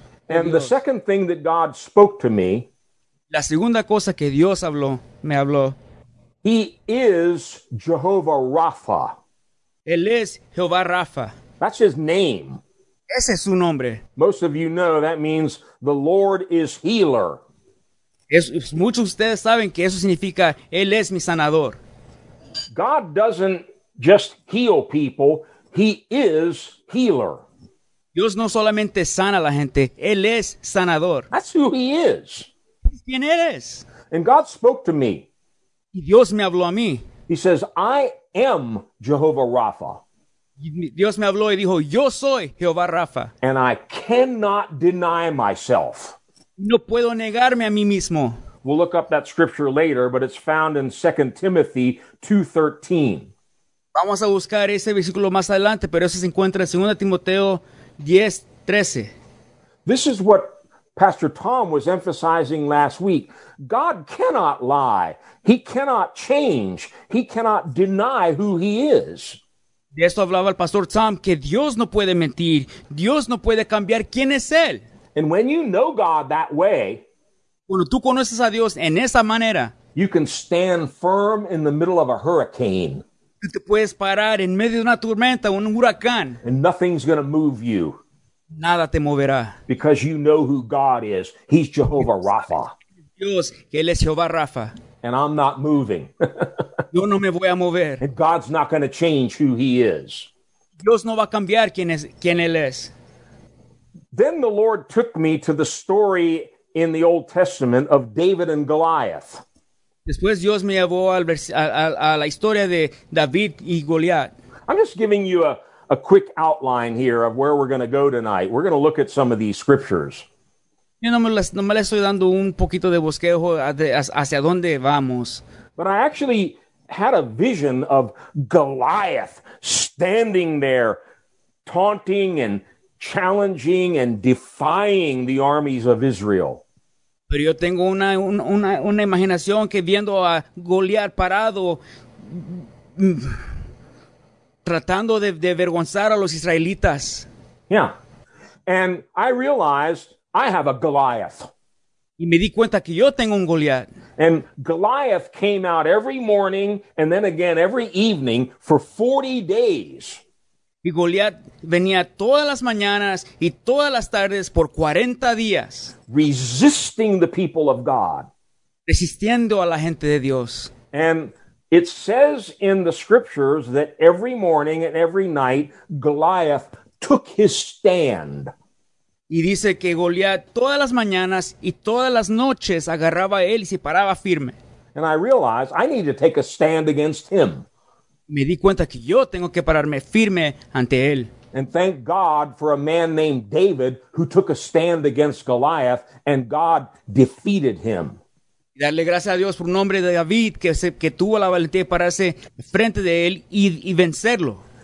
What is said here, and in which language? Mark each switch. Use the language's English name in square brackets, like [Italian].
[English] And the second thing that God spoke to me, [Spanish] la segunda cosa que Dios habló, me habló, [English] he is Jehovah Rapha. [Spanish] Él es Jehová Rapha. [English] That's his name. [Spanish] Ese es su nombre. [English] Most of you know that means the Lord is healer. [Spanish] Muchos de ustedes saben que eso significa Él es mi sanador. [English] God doesn't just heal people, He is healer. [Spanish] Dios no solamente sana a la gente, Él es sanador. [English] That's who He is. [Spanish] ¿Quién eres? [English] And God spoke to me. [Spanish] Y Dios me habló a mí. [English] He says, I am Jehovah Rapha. [Spanish] Dios me habló y dijo, yo soy Jehová Rapha. [English] And I cannot deny myself. [Spanish] No puedo negarme a mí mismo. [English] We'll look up that scripture later, but it's found in 2 Timothy 2:13. [Spanish] Vamos a buscar ese versículo más adelante, pero eso se encuentra en 2 Timoteo 10:13. [English] This is what Pastor Tom was emphasizing last week. God cannot lie. He cannot change. He cannot deny who he is. [Spanish] De esto hablaba el Pastor Tom, que Dios no puede mentir. Dios no puede cambiar quién es Él. [English] And when you know God that way, [Spanish] cuando tú conoces a Dios en esa manera, [English] you can stand firm in the middle of a hurricane. [Spanish] Tú te puedes parar en medio de una tormenta, un huracán. [English] And nothing's going to move you. [Spanish] Nada te moverá. [English] Because you know who God is. He's Jehovah Rapha. [Spanish] Dios, que Él es Jehová Rapha. [English] And I'm not moving. [Spanish] Yo no me voy a mover. [English] And God's not going to change who he is. [Spanish] Dios no va a cambiar quién él es. [English] Then the Lord took me to the story in the Old Testament of David and Goliath. [Spanish] Después Dios me llevó a la historia de David y Goliath. [English] I'm just giving you a quick outline here of where we're going to go tonight. We're going to look at some of these scriptures. [Spanish] Yo no me le estoy dando un poquito de bosquejo hacia dónde vamos. [English] But I actually had a vision of Goliath standing there taunting and challenging and defying the armies of Israel. [Spanish] Pero yo tengo una imaginación que viendo a Goliath parado tratando de avergonzar a los israelitas. [English] Yeah. And I realized I have a Goliath. [Spanish] Y me di cuenta que yo tengo un Goliath. [English] And Goliath came out every morning and then again every evening for 40 days. [Spanish] Y Goliath venía todas las mañanas y todas las tardes por 40 días. [English] Resisting the people of God. [Spanish] Resistiendo a la gente de Dios. [English] And it says in the scriptures that every morning and every night Goliath took his stand. [Spanish] Y dice que Goliat todas las mañanas y todas las noches agarraba a él y se paraba firme. [English] And I realized I need to take a stand against him. [Spanish] Me di cuenta que yo tengo que pararme firme ante él. [English] And thank God for a man named David who took a stand against Goliath and God defeated him. [Spanish] Y darle gracias a Dios por un hombre de David que tuvo la valentía de pararse frente de él y vencerlo.